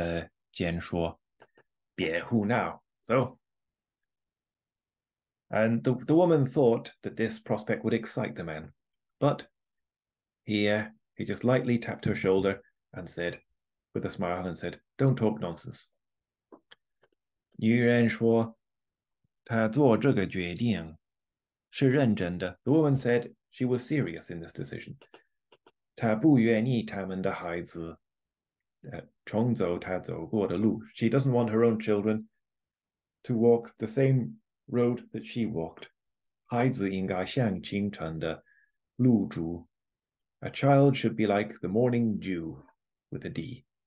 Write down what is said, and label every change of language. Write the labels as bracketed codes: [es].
[zh] 女人以为她的这个决定一定会让男人兴奋，可是男人只是轻描淡写的一笑，拍拍她的肩说：“别胡闹。” [en] So, and the woman thought that this prospect would excite the man, but he just lightly tapped her shoulder and said, with a smile, and said, "Don't talk nonsense." [zh] 女人说她做这个决定是认真的。 [en] The woman said she was serious in this decision. [zh] 她不愿意他们的孩子重走她走过的路。 [en] She doesn't want her own children to walk the same road that she walked. [zh] 孩子应该像清晨的露珠。 [en] A child should be like the morning dew with a D.